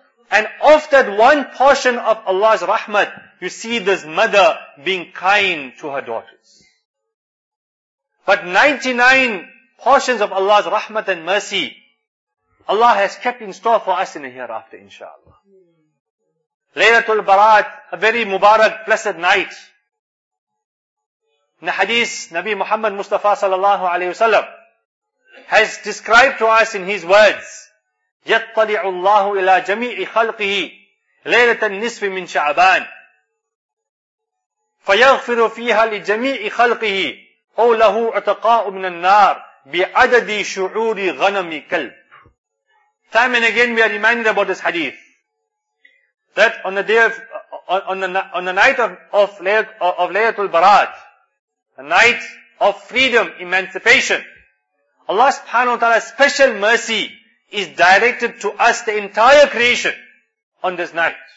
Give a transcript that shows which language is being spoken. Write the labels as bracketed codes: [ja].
[en] And of that one portion of Allah's rahmat, you see this mother being kind to her daughters. But 99 portions of Allah's rahmat and mercy, Allah has kept in store for us in the hereafter, inshaAllah. Laylatul Barat, a very Mubarak, blessed night. In the hadith, Nabi Muhammad Mustafa sallallahu alayhi wa sallam has described to us in his words, [ar] يَطَّلِعُ اللَّهُ إِلَىٰ جَمِيعِ خَلْقِهِ لَيْلَةَ النِّصْفِ مِنْ شَعَبَانِ فَيَغْفِرُ فِيهَا لِجَمِيعِ خَلْقِهِ أو له عتقاء من النار بعدد شعور غنم كلب. [en] Time and again we are reminded about this hadith that on the day of on the night of Laylatul Barat, the night of freedom, emancipation, Allah subhanahu wa ta'ala special mercy is directed to us, the entire creation, on this night.